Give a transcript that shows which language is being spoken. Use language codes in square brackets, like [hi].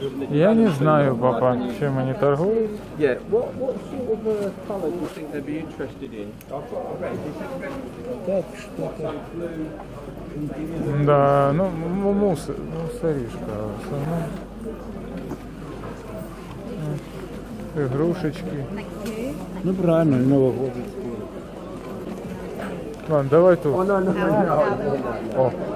[ru] Я не знаю, папа, чем они торгуют. [en] Yeah, what sort of color do you think they'd be interested in? I've got a red. That's like a blue. [ru] Да, ну мусоришка, игрушечки. Ну правильно, новогодские. Ладно, давай тут. О.